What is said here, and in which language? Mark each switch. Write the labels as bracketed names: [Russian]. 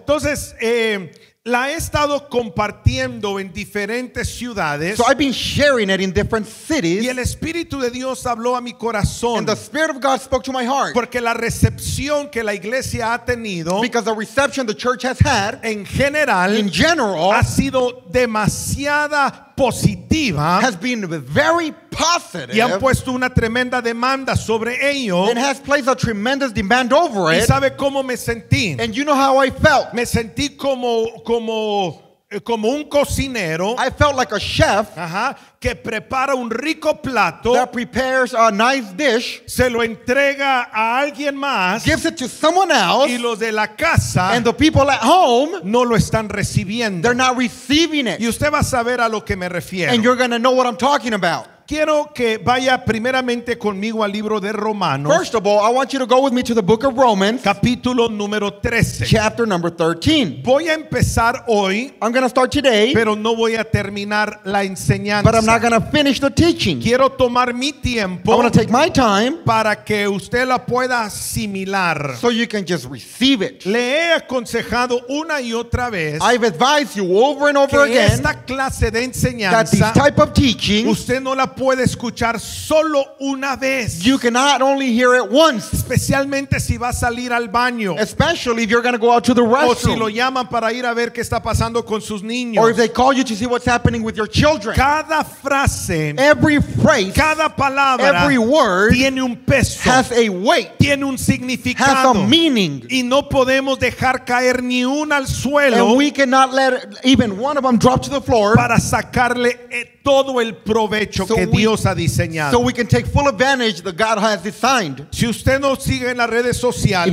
[Spanish] Entonces la he estado compartiendo en diferentes ciudades. [English] So I've been sharing it in different cities. [Spanish] Y el Espíritu de Dios habló a mi corazón. [English] And the Spirit of God spoke to my heart. [Spanish] Porque la recepción que la iglesia ha tenido, [English] because the reception the church has had, [Spanish] en general, [English] in general, [Spanish] ha sido demasiada positiva. [English] Has been very positive. [Spanish] Y han puesto una tremenda demanda sobre ello. [English] And has placed a tremendous demand over it. [Spanish] ¿Y sabe cómo me sentí? [English] And you know how I felt. [Spanish] Me sentí como un cocinero. [English] I felt like a chef. [Spanish] Uh-huh. Que prepara un rico plato. [English] That prepares a nice dish. [Spanish] Se lo entrega a alguien más. [English] Gives it to someone else. [Spanish] Y los de la casa. [English] And the people at home. [Spanish] No lo están recibiendo. [English] They're not receiving it. [Spanish] Y usted va a saber a lo que me refiero. [English] And you're going to know what I'm talking about. [Spanish] Quiero que vaya primeramente conmigo al libro de Romanos. [English] First of all, I want you to go with me to the book of Romans. [Spanish] Capítulo número 13. [English] Chapter number 13. [Spanish] Voy a empezar hoy. [English] I'm going to start today. [Spanish] Pero no voy a terminar la enseñanza. [English] But I'm not going to finish the teaching. [Spanish] Quiero tomar mi tiempo. [English] I want to take my time. [Spanish] Para que usted la pueda asimilar. [English] So you can just receive it. [Spanish] Le he aconsejado una y otra vez. [English] I've advised you over and over again. [Spanish] Que esta clase de enseñanza. [English] That this type of teaching. [Spanish] Usted no la puede escuchar solo una vez. [English] You cannot only hear it once. [Spanish] Especialmente si va a salir al baño. [English] Especially if you're going to go out to the restroom. [Spanish] O si lo llaman para ir a ver qué está pasando con sus niños. [English] Or if they call you to see what's happening with your children. [Spanish] Cada frase. [English] Every phrase. [Spanish] Cada palabra. [English] Every word. [Spanish] Tiene un peso. [English] Has a weight. [Spanish] Tiene un significado. [English] Has a meaning. [Spanish] Y no podemos dejar caer ni una al suelo. [English] And we cannot let even one of them drop to the floor. [Spanish] Para sacarle todo el provecho que Dios ha diseñado. [English] So we can take full advantage that God has designed. [Spanish] Si usted nos sigue en las redes sociales,